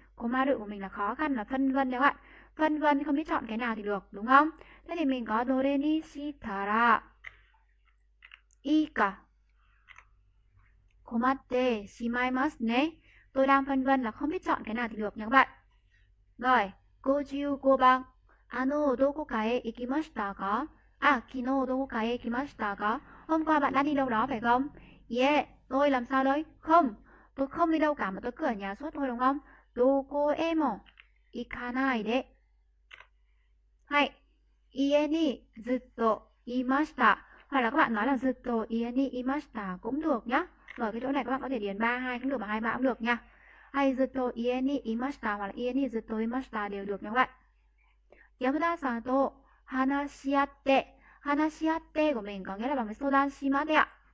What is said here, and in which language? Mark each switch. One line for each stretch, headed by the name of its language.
Vietnamese: Komaru của mình là khó khăn, là phân vân đấy các bạn. Phân vân không biết chọn cái nào thì được, đúng không?
Japanese: Thế thì mình có dore ni shitara ika. Komatte shimaimasu ne.
Vietnamese: Tôi đang phân vân là không biết chọn cái nào thì được nha các bạn. Rồi.
Japanese: 55番 あの、どこかへ行きましたか? À, 昨日どこかへ行きましたか?
Vietnamese: Hôm qua bạn đã đi đâu đó phải không? Yeah, tôi làm sao đấy? Không, tôi không đi đâu cả mà tôi cứ ở nhà suốt thôi đúng không?
Japanese: どこへも行かないで. Hay, 家にずっといました.
Vietnamese: Hoặc là các bạn nói là ずっと家にいました cũng được nhá. Rồi cái chỗ này các bạn có thể điền 32 cũng được mà 23 cũng được nha. Hay
Japanese: zutto ie ni imashita
Vietnamese: hoặc là
Japanese: ie ni zutto imashita
Vietnamese: đều được nha các bạn. Yamada-san to hanashiatte. Hanashiatte của mình có nghĩa là bằng cái sodan shimasu ạ.